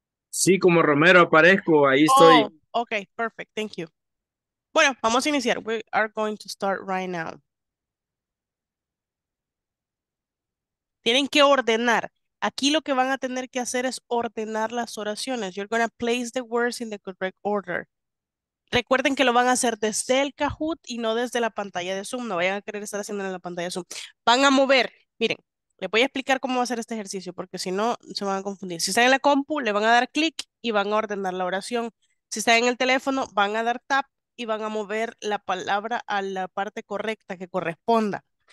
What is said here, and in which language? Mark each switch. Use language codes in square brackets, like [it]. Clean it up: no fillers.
[es] Sí, como Romero aparezco. Ahí estoy. [en] Oh, ok, perfect. Thank you. [es] Bueno, vamos a iniciar. [en] We are going to start right now. [es] Tienen que ordenar. Aquí lo que van a tener que hacer es ordenar las oraciones. [en] You're going to place the words in the correct order. [es] Recuerden que lo van a hacer desde el Kahoot y no desde la pantalla de Zoom. No vayan a querer estar haciéndolo en la pantalla de Zoom. Van a mover. Miren, les voy a explicar cómo va a ser este ejercicio porque si no, se van a confundir. Si están en la compu, le van a dar clic y van a ordenar la oración. Si están en el teléfono, van a dar tap y van a mover la palabra a la parte correcta que corresponda.